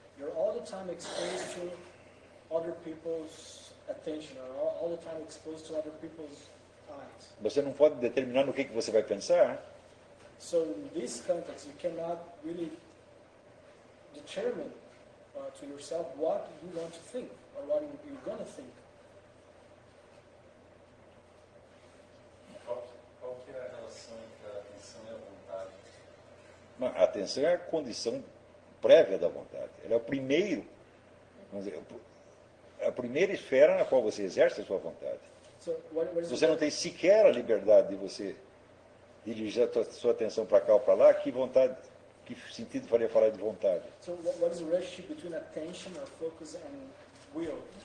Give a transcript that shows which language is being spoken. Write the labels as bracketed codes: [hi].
[en] You're all the time exposed to other people's attention, or all the time exposed to other people's eyes. [pt] Você não pode determinar no que você vai pensar. [en] So in this context, you cannot really determine to yourself what you want to think or what you're going to think. [pt] Qual é a relação entre a atenção e a vontade? A atenção é a condição prévia da vontade. Ela é o primeiro, vamos dizer, a primeira esfera na qual você exerce a sua vontade. [en] So, what [pt] você não tem sequer a liberdade de você dirigir a sua atenção para cá ou para lá, que vontade, que sentido faria falar de vontade? [en] So what is the relationship between attention or focus and will?